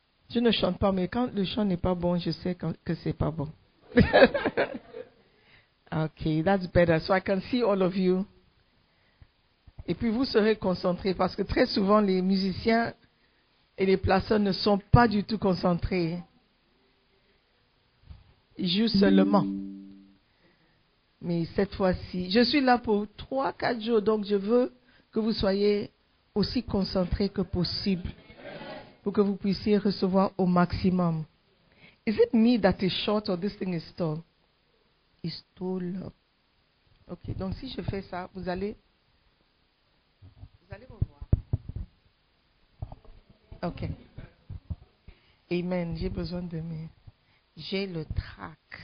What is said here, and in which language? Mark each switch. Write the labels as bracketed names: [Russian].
[French] Je ne chante pas, mais quand le chant n'est pas bon, je sais que c'est pas bon. [English] Okay, that's better. So I can see all of you. [French] Et puis vous serez concentrés parce que très souvent les musiciens et les placeurs ne sont pas du tout concentrés. Ils jouent seulement. Mais cette fois-ci, je suis là pour 3-4 jours, donc je veux que vous soyez aussi concentrés que possible pour que vous puissiez recevoir au maximum. [English] Is it me that is short or this thing is tall? It's tall. [French] Ok, donc si je fais ça, vous allez me voir. Ok. Amen, j'ai besoin de mes... J'ai le trac.